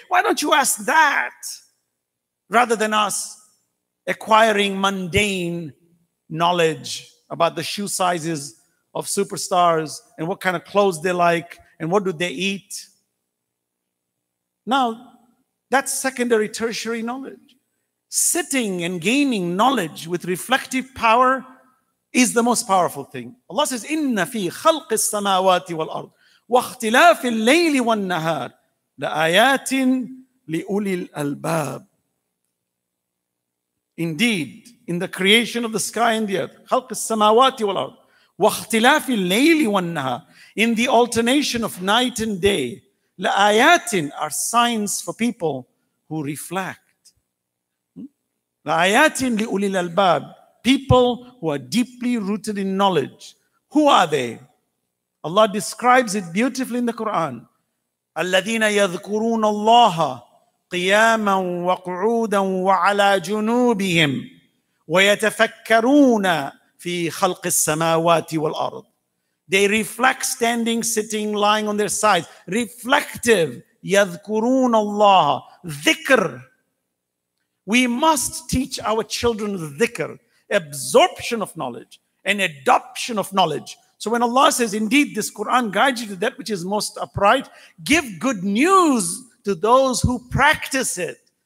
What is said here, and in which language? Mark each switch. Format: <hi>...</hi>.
<en>Why don't you ask that rather than us acquiring mundane knowledge about the shoe sizes of superstars and what kind of clothes they like and what do they eat? Now, that's secondary, tertiary knowledge. Sitting and gaining knowledge with reflective power is the most powerful thing.</en> <ar>Allah says, إِنَّ فِي خَلْقِ السَّمَاوَاتِ وَالْأَرْضِ وَاخْتِلَافِ اللَّيْلِ وَالنَّهَارِ لَآيَاتٍ لِأُولِي الْأَلْبَابِ.</ar> <en>Indeed, in the creation of the sky and the earth,</en> <ar>خلق السماوات والأرض, واختلاف الليل والنهار,</ar> <en>in the alternation of night and day, لآيات are signs for people who reflect.</en> <ar>لآيات لأولي الألباب,</ar> <en>people who are deeply rooted in knowledge. Who are they? Allah describes it beautifully in the Quran.</en> <ar>الذين يذكرون الله قياما وقعودا وعلى جنوبهم ويتفكرون في خلق السماوات والأرض.</ar> <en>They reflect standing, sitting, lying on their sides.</en> <ar>Reflective. يذكرون الله. ذكر.</ar> <en>We must teach our children ذكر. Absorption of knowledge. And adoption of knowledge. So when Allah says, indeed, this Quran guides you to that which is most upright, give good news to those who practice it.</en>